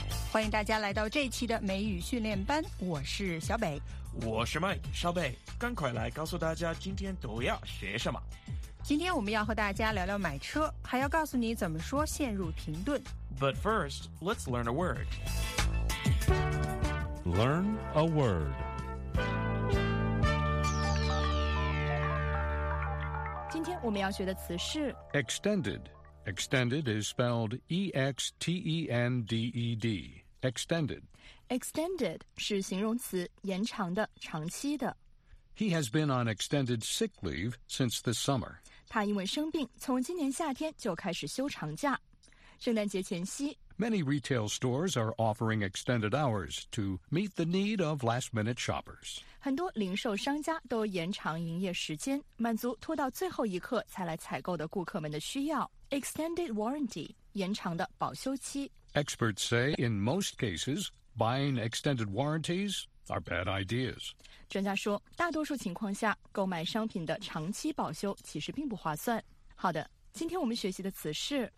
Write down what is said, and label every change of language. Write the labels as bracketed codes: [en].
[zh] 欢迎大家来到这期的美语训练班，我是小北。我是 Mike， 小北，赶快来告诉大家今天都要学什么。今天我们要和大家聊聊买车，还要告诉你怎么说陷入停顿。 [en] But first, let's learn a word. Learn a word. [zh] 今天我们要学的词是 [en] Extended. Extended is spelled E-X-T-E-N-D-E-D. Extended. [zh] Extended 是形容词，延长的，长期的。 [en] He has been on extended sick leave since this summer. [zh] 他因为生病，从今年夏天就开始休长假。圣诞节前夕 [en] Many retail stores are offering extended hours to meet the need of last-minute shoppers. [zh] 很多零售商家都延长营业时间，满足拖到最后一刻才来采购的顾客们的需要。 [en] Extended warranty, [zh] 延长的保修期。 [en] Experts say in most cases, buying extended warranties are bad ideas. [zh] 专家说，大多数情况下，购买商品的长期保修其实并不划算。好的，今天我们学习的词是